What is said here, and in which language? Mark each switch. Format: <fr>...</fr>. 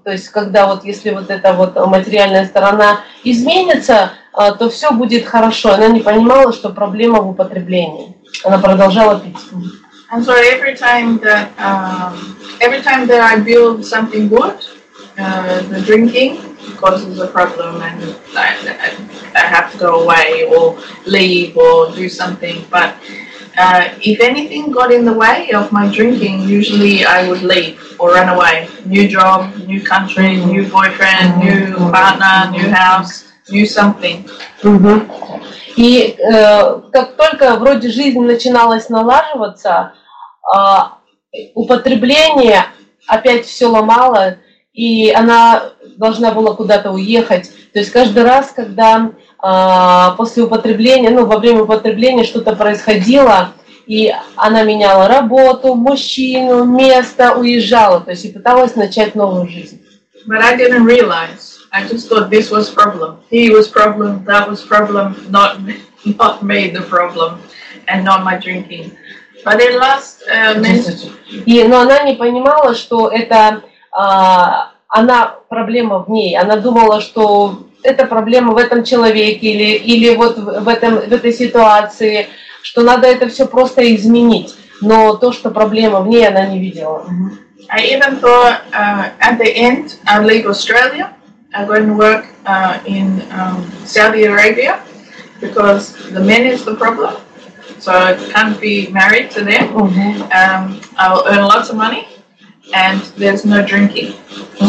<ru>То есть когда вот если вот эта вот материальная сторона изменится, то все будет хорошо. Она не понимала, что проблема в употреблении. Она продолжала пить.</ru> <en>And so every time that I build something good, the drinking causes a problem, and I have to go away or leave or do something. But if anything got in the way of my drinking, usually I would leave or run away. New job, new country, new boyfriend, new partner, new house. Do something.</en> <ru>И как только вроде жизнь начиналась налаживаться, употребление опять все ломало, и она должна была куда-то уехать. То есть каждый раз, когда после употребления, ну, во время употребления что-то происходило, и она меняла работу, мужчину, место, уезжала, то есть и пыталась начать новую жизнь.</ru> <en>But I didn't realize. I just thought this was problem. He was problem, that was problem, not me the problem, and not my drinking. But in last</en> <ru>И, но она не понимала, что это она проблема в ней. Она думала, что это проблема в этом человеке или вот в этой ситуации, что надо это все просто изменить. Но то, что проблема в ней, она не видела.</ru> <en>I even thought at the end I'd leave Australia. I go and work in Saudi Arabia because the men is the problem. so I can't be married to them. Mm-hmm. I'll earn lots of money, and there's no drinking, mm-hmm.</en>